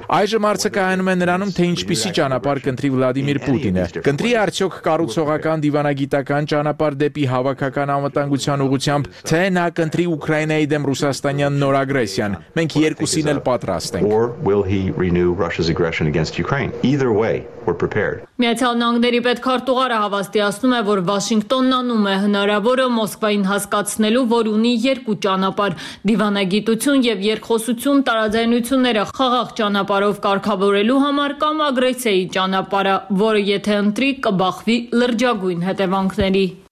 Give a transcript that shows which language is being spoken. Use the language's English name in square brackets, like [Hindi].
[Armenian] Այժմ արձակայանում են նրանում, թե ինչպիսի ճանապարհ կընտրի Վլադիմիր Պուտինը։ Կընտրի արդյոք կառուցողական դիվանագիտական ճանապարհ դեպի հավաքական անվտանգության ուղղությամբ, թե նա կընտրի Ուկրաինայի դեմ ռուսաստանյան նոր ագրեսիան։ Մենք երկուսին էլ պատրաստ ենք։ [English] Or will he renew Russia's aggression against Ukraine? Either way, we're prepared. [Armenian] Միացյալ Նահանգների պետքարտուղարը հավաստիացնում է, որ Վաշինգտոնն անում է հնարավորը Մոսկվային հասկացնելու, որ ունի երկու ճանապարհ՝ դիվանագիտություն եւ երկխոսություն տարաձայնությունները խաղաղ ճանապարհով կարգավորելու համար կամ ագրեսիայի ճանապարհը, որը եթե ընտրի, կբախվի լրջագույն հետևանքների։